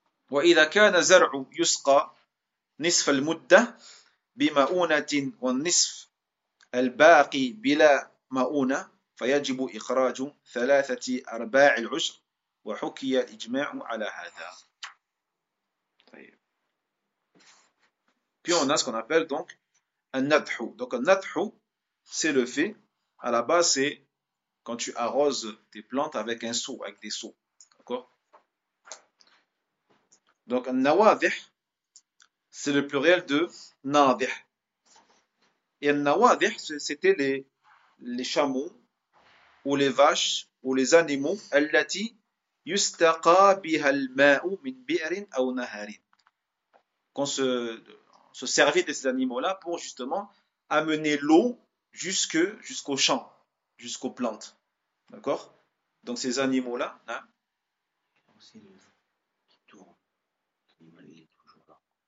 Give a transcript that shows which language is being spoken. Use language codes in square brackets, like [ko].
[ar] وإذا كان زرع يسقى نصف المدة بمؤونة والنصف الباقي بلا مؤونة فيجب إخراج ثلاثة أرباع العشر وحكي الإجماع على هذا. طيب. [fr] Puis on a ce qu'on appelle donc un nadhu. Donc un nadhu, c'est le fait, à la base, c'est quand tu arroses tes plantes avec un seau, avec des seaux. D'accord? Donc un nawadih, c'est le pluriel de nadhih. Et un nawadih, c'était les chameaux, ou les vaches, ou les animaux, allati. [ar] يستقى بها الماء من بئر أو نهر. [fr] Qu'on se servit de ces animaux-là pour justement amener l'eau jusqu'aux champs, jusqu'aux plantes. D'accord? Donc ces animaux-là. Hein? C'est le qui tourne. L'animal est toujours là.